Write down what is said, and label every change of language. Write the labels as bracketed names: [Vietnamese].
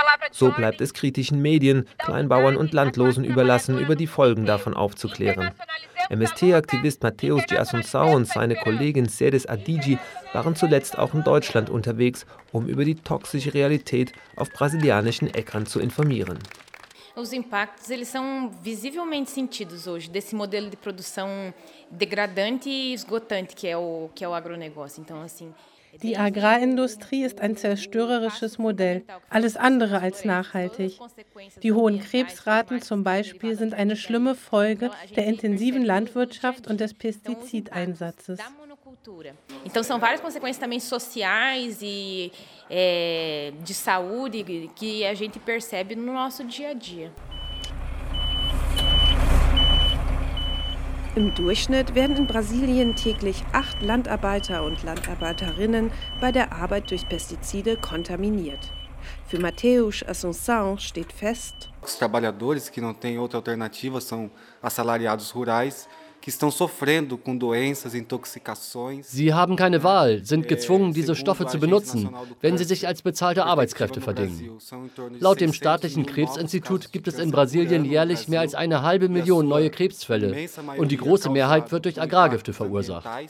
[German] So bleibt es kritischen Medien, Kleinbauern und Landlosen überlassen, über die Folgen davon aufzuklären. MST-Aktivist Matheus de Assunção und seine Kollegin Ceres Adigi waren zuletzt auch in Deutschland unterwegs, um über die toxische Realität auf brasilianischen Äckern zu informieren. [Portuguese] Os impactos, eles são visivelmente sentidos hoje desse modelo de produção degradante e esgotante que é o agronegócio. Então assim, [German] die Agrarindustrie ist ein zerstörerisches Modell, alles andere als nachhaltig. Die hohen Krebsraten zum Beispiel sind eine schlimme Folge der intensiven Landwirtschaft und des Pestizideinsatzes. [Portuguese] Então são várias consequências também sociais e de saúde que a gente percebe no nosso dia a dia. [German] Im Durchschnitt werden in Brasilien täglich 8 Landarbeiter und Landarbeiterinnen bei der Arbeit durch Pestizide kontaminiert. Für Matheus Assunção steht fest: [Portuguese] Os trabalhadores que não têm outra alternativa são assalariados rurais. [German] Sie haben keine Wahl, sind gezwungen, diese Stoffe zu benutzen, wenn sie sich als bezahlte Arbeitskräfte verdienen. Laut dem staatlichen Krebsinstitut gibt es in Brasilien jährlich mehr als 500.000 neue Krebsfälle und die große Mehrheit wird durch Agrargifte verursacht.